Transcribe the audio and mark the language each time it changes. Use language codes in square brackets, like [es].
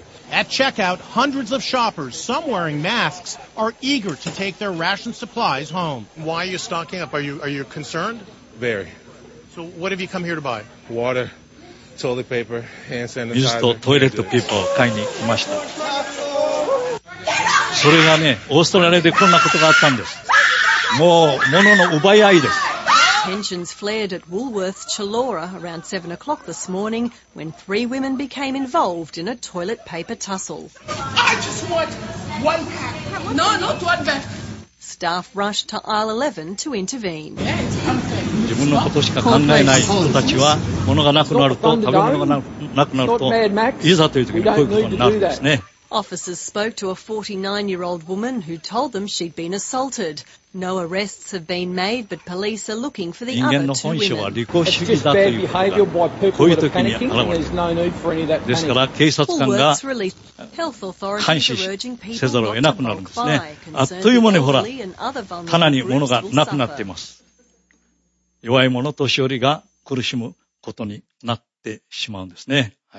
[en] At checkout, hundreds of shoppers, some wearing masks, are eager to take their ration supplies home. Why are you stocking up? Are you concerned? Very. So what have you come here to buy? Water. [ja] 水とトイレットペーパーを買いに来ました。それがね、オーストラリアでこんなことがあったんです。もう物の奪い合いです。 [en] Tensions flared at Woolworths Chullora around 7 o'clock this morning when three women became involved in a toilet paper tussle. I just want one pack. No, not one pack. Staff rushed to aisle 11 to intervene. [ja] 自分のことしか考えない人たちは、物がなくなると、食べ物がなくなると、いざという時にこういうことになるんですね。 [en] Officers spoke to a 49-year-old woman who told them she'd been assaulted. No arrests have been made, but police are looking for the other two women. [ja] 人間の本性は利己主義だということが、こういう時に現れる。ですから警察官が監視せざるを得なくなるんですね。あっという間にほら、棚に物がなくなっています。弱い者、年寄りが苦しむことになってしまうんですね。